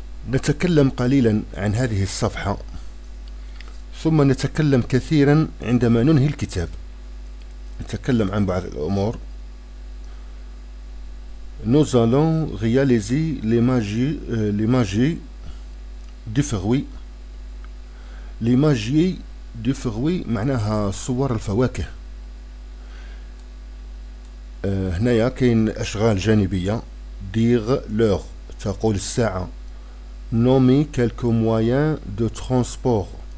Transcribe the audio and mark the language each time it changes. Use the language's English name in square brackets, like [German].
[Arabic] نتكلم قليلا عن هذه الصفحة ثم نتكلم كثيرا عندما ننهي الكتاب. نتكلم عن بعض الأمور. [French] Nous allons réaliser les magies du fruit. Les magies du fruit [Arabic] معناها صور الفواكه. هنايا كاين أشغال جانبية. [French] Dire l'heure. [Arabic] تقول الساعة. [French] Nommer quelques moyens de transport.